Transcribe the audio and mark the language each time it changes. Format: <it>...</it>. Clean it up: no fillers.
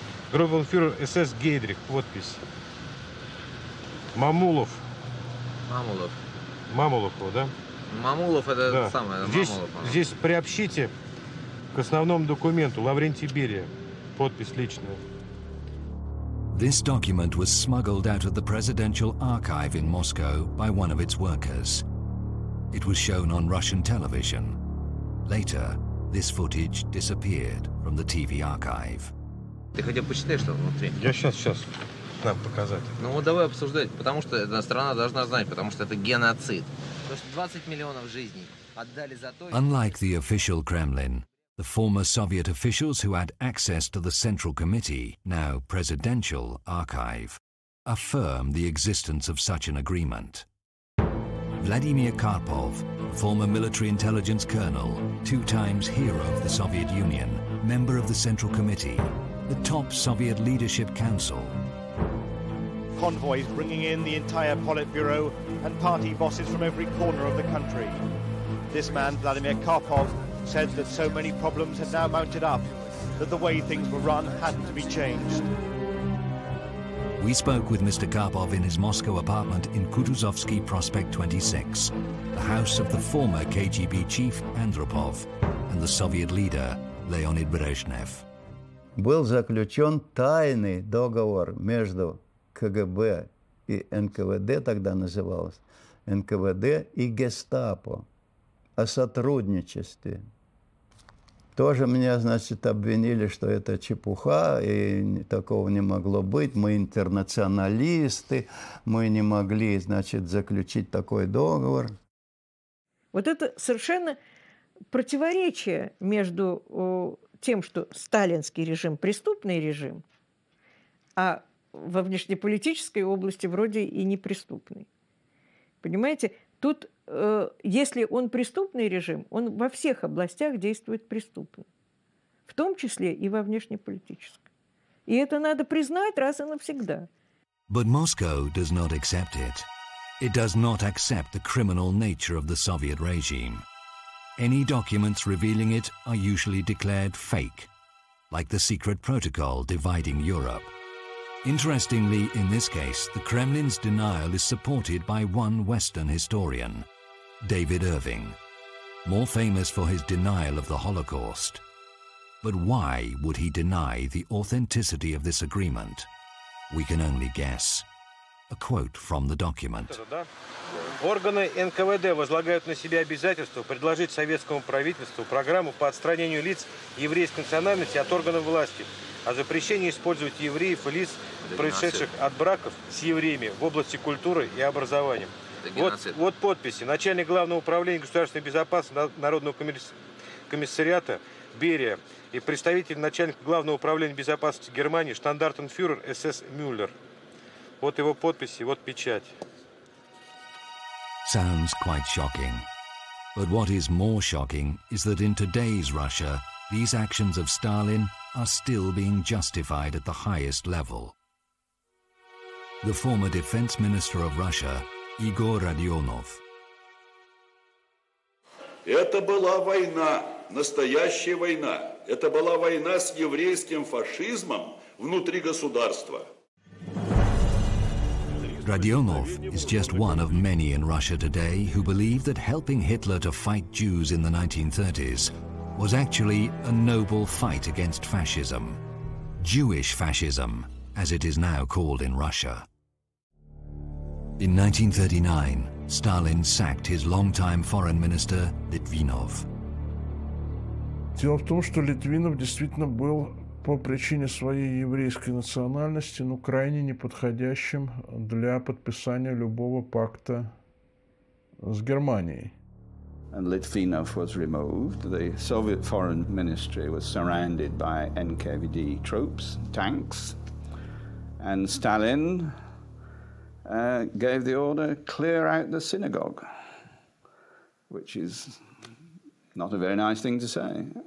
<ru>Группенфюрер СС Гейдрих, подпись. Мамулов. Мамулов. Мамулов, да? Мамулов это да. Самое. Здесь, Мамулов, здесь приобщите к основному документу Лаврентий Берия. Подпись личная.</ru> <en>This document was smuggled out of the presidential archive in Moscow by one of its workers. It was shown on Russian television. Later, this footage disappeared from the TV archive.</en> <ru>Ты хотя бы почитай, что внутри. Я сейчас. Нам показать. Ну вот давай обсуждать, потому что эта страна должна знать, потому что это геноцид. То есть 20 миллионов жизней отдали за то...</ru> <en>Unlike the official Kremlin, the former Soviet officials who had access to the Central Committee, now presidential, archive, affirm the existence of such an agreement. Vladimir Karpov, former military intelligence colonel, two times hero of the Soviet Union, member of the Central Committee, the top Soviet leadership council, convoys bringing in the entire Politburo and party bosses from every corner of the country. This man, Vladimir Karpov, said that so many problems had now mounted up that the way things were run had to be changed. We spoke with Mr. Karpov in his Moscow apartment in Kutuzovsky Prospect 26, the house of the former KGB chief Andropov and the Soviet leader Leonid Brezhnev.</en> <ru>Был заключен тайный договор между КГБ и НКВД, тогда называлось, НКВД и Гестапо о сотрудничестве. Тоже меня, значит, обвинили, что это чепуха, и такого не могло быть. Мы интернационалисты, мы не могли, значит, заключить такой договор. Вот это совершенно противоречие между тем, что сталинский режим – преступный режим, а во внешнеполитической области вроде и неприступный. Понимаете, тут... Если он преступный режим, он во всех областях действует преступно, в том числе и во внешнеполитической. И это надо признать раз и навсегда.</ru> <en>But Moscow does not accept it. It does not accept the criminal nature of the Soviet regime. Any documents revealing it are usually declared fake, like the secret protocol dividing Europe. Interestingly, in this case, the Kremlin's denial is supported by one Western historian, David Irving, more famous for his denial of the Holocaust. But why would he deny the authenticity of this agreement? We can only guess. A quote from the document.</en> <ru>Органы НКВД возлагают на себя обязательство предложить советскому правительству программу по отстранению лиц еврейской национальности от органов власти, о запрещении использовать евреев и лиц, происшедших от браков с евреями в области культуры и образования. Вот подписи. Начальник Главного управления государственной безопасности Народного комиссариата Берия и представитель начальника Главного управления безопасности Германии штандартенфюрер СС Мюллер. Вот его подписи, вот печать.</ru> <en>Sounds quite shocking. But what is more shocking is that in today's Russia these actions of Stalin are still being justified at the highest level. The former defense minister of Russia Егор Родионов.</en> <ru>Это была война, настоящая война. Это была война с еврейским фашизмом внутри государства.</ru> <en>Родионов is just one of many in Russia today who believe that helping Hitler to fight Jews in the 1930s was actually a noble fight against fascism. Jewish fascism, as it is now called in Russia. In 1939, Stalin sacked his longtime foreign minister Litvinov.</en> <ru>Дело в том, что Литвинов действительно был по причине своей еврейской национальности, ну, крайне неподходящим для подписания любого пакта с Германией.</ru> <en>And Litvinov was removed. The Soviet foreign ministry was surrounded by NKVD troops, tanks, and Stalin gave the order, clear out the synagogue, which is not a very nice thing to say.</en>